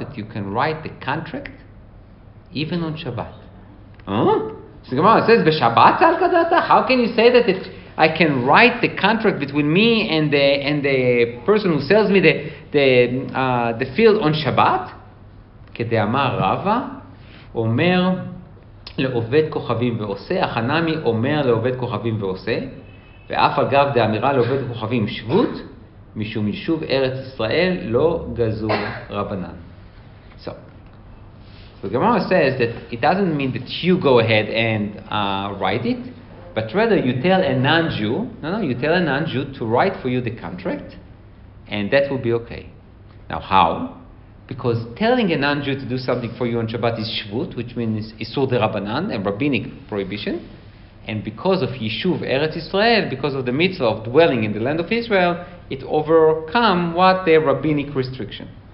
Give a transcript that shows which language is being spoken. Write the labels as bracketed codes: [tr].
[en] That you can write the contract even on Shabbat. Huh? So the Gemara says, [he] b'Shabbat al kadata? [en] How can you say that it's... I can write the contract between me and the person who sells me the field on Shabbat? [he] כדאמר רבא אומר לעובד כוכבים ועושה, חנמי אומר לעובד כוכבים ועושה, ואף אגב דאמירה לעובד כוכבים שבות, משום יישוב ארץ ישראל לא גזור רבנן. [en] So Gemara says that it doesn't mean that you go ahead and write it, but rather you tell a non-Jew, you tell a non-Jew to write for you the contract, and that will be okay. Now how? Because telling a non-Jew to do something for you on Shabbat is Shvut, which means Isur de Rabbanan, a rabbinic prohibition, and because of Yishuv Eretz Israel, because of the mitzvah of dwelling in the land of Israel, it overcome what the rabbinic restriction.